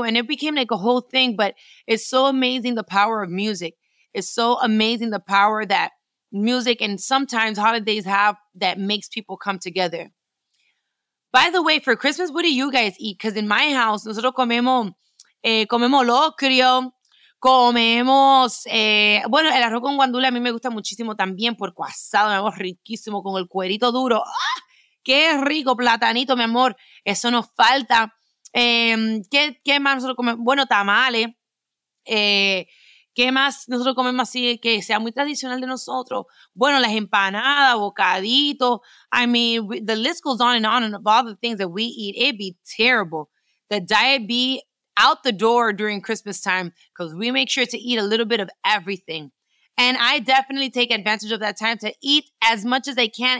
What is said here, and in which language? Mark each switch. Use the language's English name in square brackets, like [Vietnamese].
[English] And it became like a whole thing, but it's so amazing the power of music. It's so amazing the power that music and sometimes holidays have that makes people come together. By the way, for Christmas, what do you guys eat? Because in my house, [Spanish] nosotros comemos locrio. Comemos, bueno, el arroz con guandula a mí me gusta muchísimo también, por cuasado, mi amor, riquísimo, con el cuerito duro. ¡Ah! ¡Qué rico! Platanito, mi amor, eso nos falta. ¿Qué más nosotros comemos? Bueno, tamales. ¿Qué más nosotros comemos así que sea muy tradicional de nosotros? Bueno, las empanadas, bocaditos. [English] I mean, the list goes on and of all the things that we eat, it'd be terrible. The diet be out the door during Christmas time because we make sure to eat a little bit of everything. And I definitely take advantage of that time to eat as much as I can.